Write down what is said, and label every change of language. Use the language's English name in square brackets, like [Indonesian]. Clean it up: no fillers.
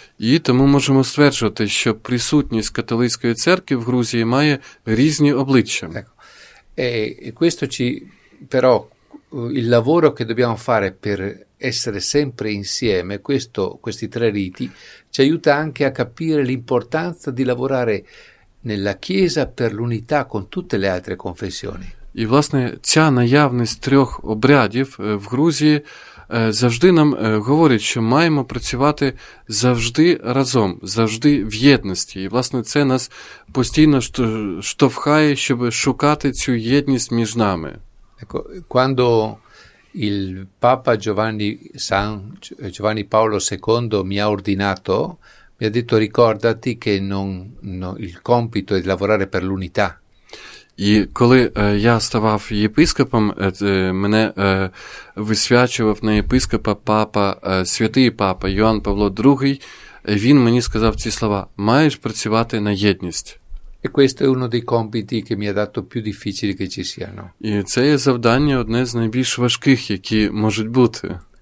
[Ukrainian] І тому можемо стверджувати, що присутність католицької церкви в Грузії має різні обличчя. [Italian] Ecco. Questo ci però il lavoro che dobbiamo fare per essere sempre insieme, questi tre riti, ci aiuta anche a capire l'importanza di lavorare nella Chiesa per l'unità con tutte le altre confessioni. [Ukrainian] І, власне, ця наявність трьох обрядів в Грузії завжди нам говорить, що маємо працювати завжди разом, завжди в єдності. І, власне, це нас постійно штовхає, щоб шукати цю єдність між нами. [Italian] Quando il Papa Giovanni Paolo II mi ha ordinato, mi ha detto ricordati che il compito è di lavorare per l'unità. [Ukrainian] І коли я ставав єпископом, мене висвячував на єпископа Папа, святий Папа Йоанн Павло II, він мені сказав ці слова: маєш працювати на єдність. [Italian] E questo è uno dei compiti che mi ha dato più difficili che ci siano. [Ukrainian] І це є завдання одне з найбільш важких, які можуть бути.